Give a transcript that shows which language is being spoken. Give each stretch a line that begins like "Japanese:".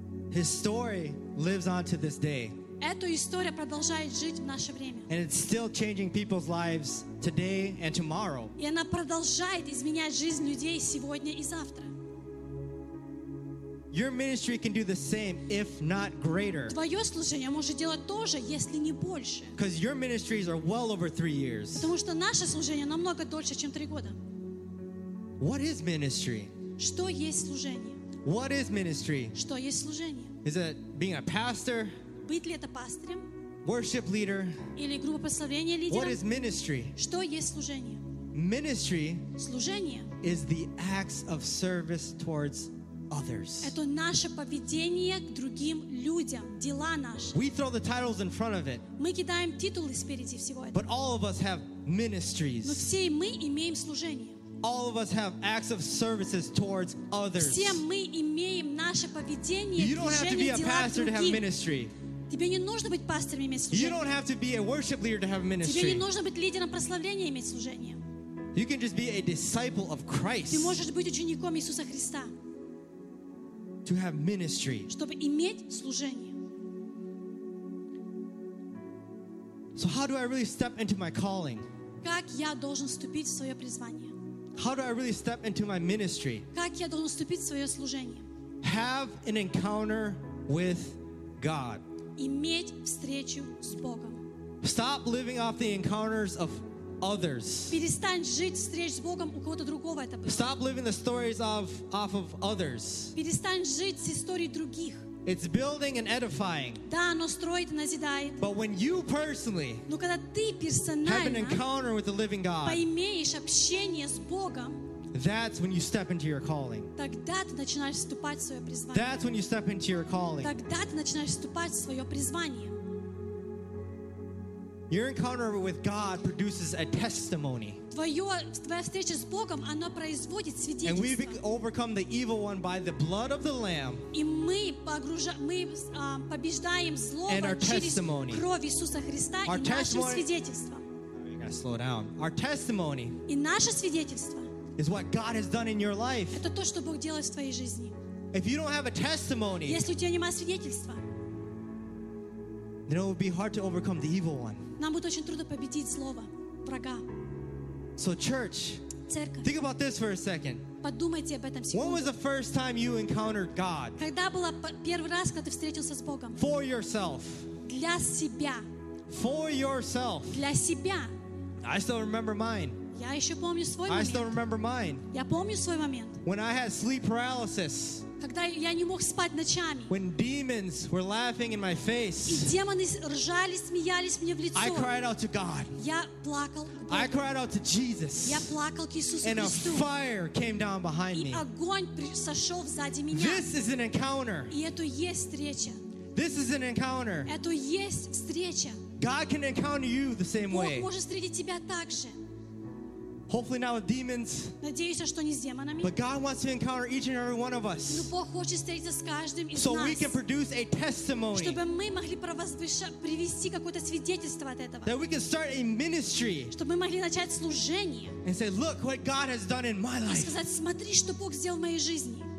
English: His story lives on to this day.
Russian: Эта история продолжает жить в наше время.
English: And it's still changing people's lives today and tomorrow.
Russian: И она продолжает изменять жизнь людей сегодня и завтра.
English: Your ministry can do the same, if not greater.
Russian: Твое служение может делать то же, если не больше.
English: Because your ministries are well over 3 years.
Russian: Потому что наше служение намного дольше, чем 3 года.
English: What is ministry?
Russian: Что есть служение?
English: What is ministry?
Russian: Что есть служение?
English: Is it being a pastor?
Russian: Быть ли это пастырем?
English: Worship leader?
Russian: Или группа прославления лидером?
English: What is ministry?
Russian: Что есть служение?
English: Ministry.
Russian: Служение.
English: Is the acts of service towards others.
Russian: Это наше поведение к другим людям, дела наши.
English: We throw the titles in front of it.
Russian: Мы кидаем титулы спереди всего этого.
English: But all of us have ministries.
Russian: Но все мы имеем служение.
English: All of us have acts of services towards others.
Russian: Все мы имеем наше поведение.
English: You don't have to be a pastor to have ministry.
Russian: Тебе не нужно быть пастором иметь служение.
English: You don't have to be a worship leader to have ministry.
Russian: Тебе не нужно быть лидером прославления иметь служение.
English: You can just be a disciple of Christ.
Russian: Ты можешь быть учеником Иисуса Христа.
English: To have ministry.
Russian: Чтобы иметь служение.
English: So how do I really step into my calling?
Russian: Как я должен вступить в своё призвание?
English: How do I really step into my ministry?
Russian: Как я должен вступить в своё служение?
English: Have an encounter with God.
Russian: Иметь встречу с Богом.
English: Stop living off the encounters of others.
Russian: Перестань жить встреч с Богом у кого-то другого это было.
English: Stop living the stories off of others.
Russian: Перестань жить с историей других.
English: It's building and edifying.
Russian: Да, оно строит и назидает.
English: But when you personally have an encounter with the living God,
Russian: поимеешь общение с Богом,
English: that's when you step into your calling.
Russian: Тогда ты начинаешь вступать в своё призвание.
English: That's when you step into your calling.
Russian: Тогда ты начинаешь вступать в своё призвание.
English: Your encounter with God produces a testimony.
Russian: Твоя встреча с Богом, она производит свидетельство.
English: And we overcome the evil one by the blood of the Lamb.
Russian: И мы побеждаем зло через кровь Иисуса Христа и нашим свидетельством.
English: You gotta slow down. Our testimony.
Russian: И наше свидетельство.
English: Is what God has done in your life.
Russian: Это то, что Бог делает в твоей жизни.
English: If you don't have a testimony.
Russian: Если у тебя нет свидетельства.
English: Then it would be hard to overcome the evil one.
Russian: Нам будет очень трудно победить злого врага.
English: So church,
Russian: церковь,
English: think about this for a second.
Russian: Подумайте об этом секунду.
English: When was the first time you encountered God?
Russian: Когда был первый раз, когда ты встретился с Богом?
English: For yourself.
Russian: Для себя.
English: For yourself.
Russian: Для себя.
English: I still remember mine.
Russian: Я еще помню свой
English: I
Russian: момент.
English: I still remember mine.
Russian: Я помню свой момент.
English: When I had sleep paralysis.
Russian: Когда я не мог спать ночами.
English: When demons were laughing in my face.
Russian: И демоны ржали, смеялись мне в лицо.
English: I cried out to God.
Russian: Я плакал к Богу.
English: I cried out to Jesus.
Russian: Я плакал к Иисусу
English: And
Russian: Христу.
English: A fire came down behind
Russian: И
English: me.
Russian: И огонь сошел сзади меня.
English: This is an encounter.
Russian: И это есть встреча.
English: This is an encounter.
Russian: Это есть встреча.
English: God can encounter you the same
Russian: Бог
English: way.
Russian: Бог может встретить тебя так же.
English: Hopefully not with demons.
Russian: Надеюсь, что не с демонами.
English: But God wants to encounter each and every one of us.
Russian: Но Бог хочет встретиться с каждым из нас.
English: So we can produce a testimony.
Russian: Чтобы мы могли привести какое-то свидетельство от этого.
English: That we can start a ministry.
Russian: Чтобы мы могли начать служение.
English: And say, look what God has done in my life.
Russian: И сказать, смотри, что Бог сделал в моей жизни.